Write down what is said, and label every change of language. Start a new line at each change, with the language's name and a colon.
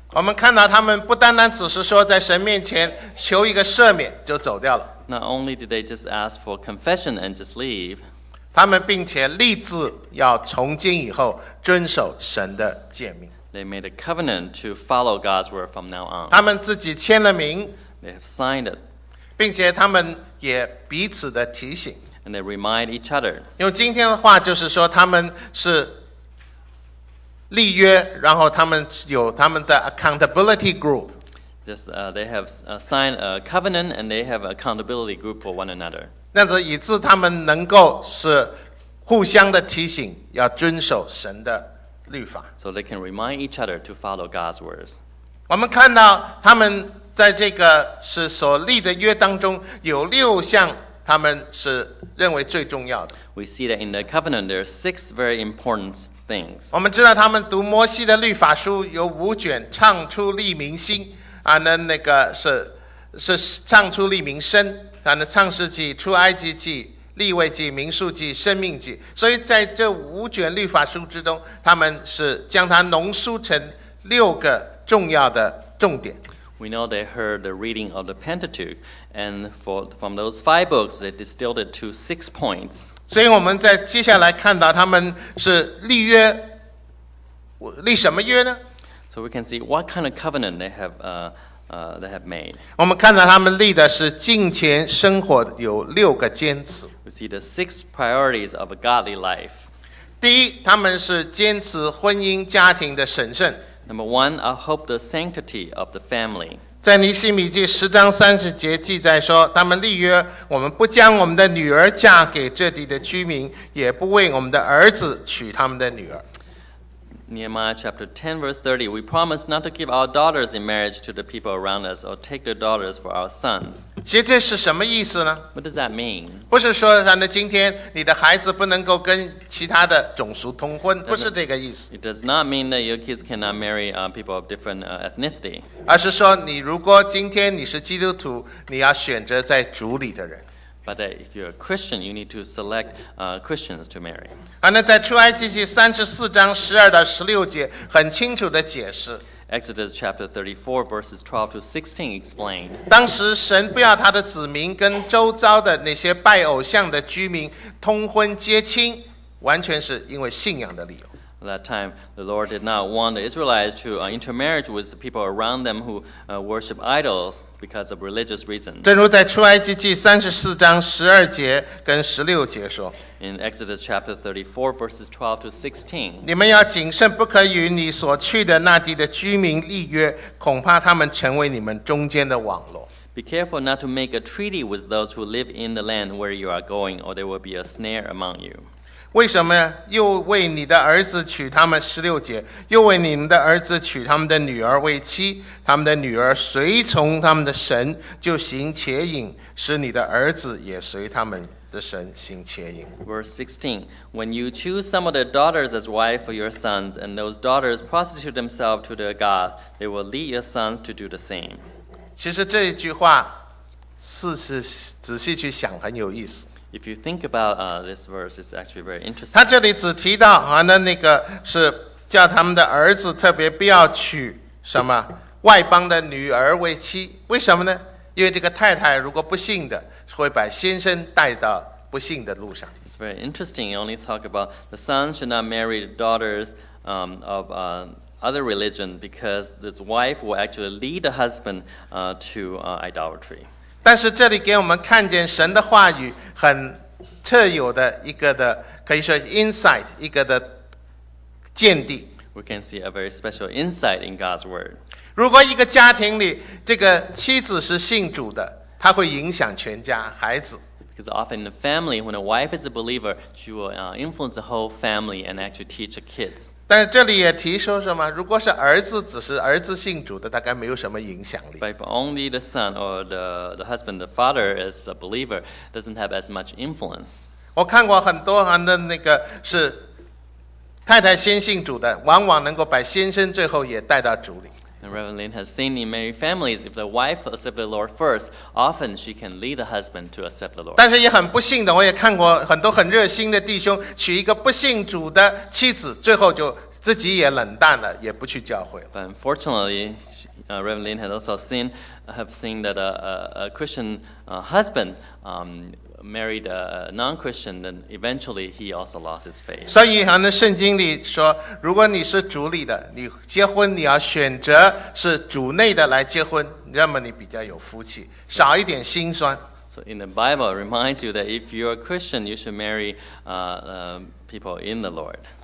Chinese: 我们看到他们不单单只是说在神面前求一个赦免就走掉了。
English: Not only did they just ask for confession and just leave,
Chinese: 他们并且立志要从今以后遵守神的诫命。
English: They made a covenant to follow God's word from now on.
Chinese: 他们自己签了名。
English: They have signed it.
Chinese: 并且他们也彼此的提醒。
English: And they remind each other.
Chinese: 用今天的话就是说他们是立约，然后他们有他们的
English: accountability group. Just, they have signed a covenant and they have accountability group for one another.
Chinese: 那是以致他们能够是互相的提醒，要遵守神的律法。
English: So they can remind each other to follow God's words.
Chinese: 我们看到他们在这个是所立的约当中有六项他们是认为最重要的。
English: We see that in the covenant there are six very important things.
Chinese: 我们知道他们读摩西的律法书有五卷，唱出利民心啊，那个是唱出利民声啊，那创世纪、出埃及记、利未记、民数记、生命记，所以在这五卷律法书之中，他们是将它浓缩成六个重要的重点。
English: We know they heard the reading of the Pentateuch, and from those five books, they distilled it to six points.
Chinese: 所以我们在接下来看到他们是立约，立什么约呢？
English: So we can see what kind of covenant they have made.
Chinese: 我们看到他们立的是敬虔生活有六个坚持。
English: We see the six priorities of a godly life.
Chinese: 第一，他们是坚持婚姻家庭的神圣。
English: Number one, uphold the sanctity of the family.
Chinese: 在尼希米记十章三十节记载说，他们立约，我们不将我们的女儿嫁给这地的居民，也不为我们的儿子娶他们的女儿。
English: Nehemiah chapter 10 verse 30, we promise not to give our daughters in marriage to the people around us or take their daughters for our sons.
Chinese: 其实这是什么意思呢？
English: What does that mean?
Chinese: 不是说今天你的孩子不能够跟其他的种族通婚，不是这个意思。
English: It does not mean that your kids cannot marry people of different ethnicity.
Chinese: 而是说你如果今天你是基督徒，你要选择在主里的人。
English: But that if you're a Christian, you need to select Christians to marry.
Chinese: 那在出埃及记三十四章十二到十六节很清楚的解释。
English: Exodus chapter 34 verses 12 to 16 explained.
Chinese: 当时神不要他的子民跟周遭的那些拜偶像的居民通婚结亲，完全是因为信仰的理由。
English: At that time, the Lord did not want the Israelites to intermarriage with the people around them who worship idols because of religious reasons.
Chinese: 正如在出埃及记三十四章十二节跟十六节说。
English: In Exodus chapter 34, verses 12 to 16.
Chinese: 你们要谨慎，不可与你所去的那地的居民立约，恐怕他们成为你们中间的网络。
English: Be careful not to make a treaty with those who live in the land where you are going, or there will be a snare among you.
Chinese: 为什么又为你的儿子娶他们十六节，又为你们的儿子娶他们的女儿为妻，他们的女儿随从他们的神，就行邪淫，使你的儿子也随他们的神行邪淫。
English: Verse 16, when you choose some of the daughters as wife for your sons, and those daughters prostitute themselves to their gods, they will lead your sons to do the same.
Chinese: 其实这一句话，仔细去想很有意思。
English: If you think about this verse, it's actually very interesting.
Chinese: 他这里只提到那个是叫他们的儿子特别不要娶什么外邦的女儿为妻。为什么呢？因为这个太太如果不幸的，会把先生带到不幸的路上。
English: It's very interesting. You only talk about the sons should not marry the daughters of other religion because this wife will actually lead the husband to idolatry.
Chinese: 但是这里给我们看见神的话语很特有的一个的，可以说 insight 一个的见地。
English: We can see a very special insight in God's word.
Chinese: 如果一个家庭里这个妻子是信主的，它会影响全家孩子。
English: Because often in the family, when a wife is a believer, she will influence the whole family and actually teach the kids.
Chinese: 但是这里也提说什么？如果是儿子，只是儿子信主的，大概没有什么影响力。
English: But if only the son or the husband, the father is a believer, doesn't have as much influence.
Chinese: 我看过很多的那个是太太先信主的，往往能够把先生最后也带到主里。
English: And Reverend Lin has seen in many families, if the wife accepts the Lord first, often she can lead the husband to accept the Lord.
Chinese: 但是也很不幸的，我也看过很多很热心的弟兄娶一个不信主的妻子，最后就自己也冷淡了，也不去教会了。
English: But unfortunately, Reverend Lin has also seen that a Christian husband married a non-Christian, then eventually he also lost his faith.
Chinese: 所以呢，圣经里说，如果你是主里的，你结婚你要选择是主内的来结婚，那么你比较有福气，少一点心酸。
English: So in the Bible, it reminds you that if you're a Christian, you should marry people in the Lord.